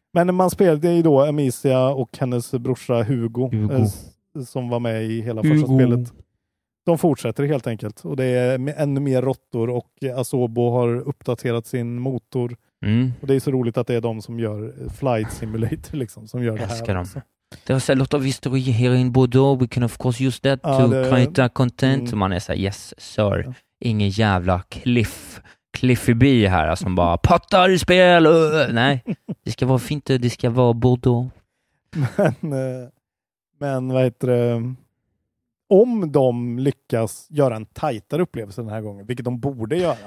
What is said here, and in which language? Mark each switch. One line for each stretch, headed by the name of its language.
Swedish: Men när man spelade, det är ju då Amicia och hennes brorsa Hugo, som var med i hela första spelet. De fortsätter helt enkelt, och det är ännu mer råttor, och Asobo har uppdaterat sin motor. Mm. Och det är så roligt att det är de som gör Flight Simulator liksom, som gör jag det här. Det har så
English: lot of history here in Bordeaux. We can of course use that to create a content.
Swedish: Mm. Man är så här,
English: yes sir.
Swedish: Ja. Ingen jävla cliffy B här som alltså, bara pattar i spel. Nej, det ska vara fint. Det ska vara Bordeaux. Men vad heter det? Om de lyckas göra en tajtare upplevelse den här gången, vilket de borde göra.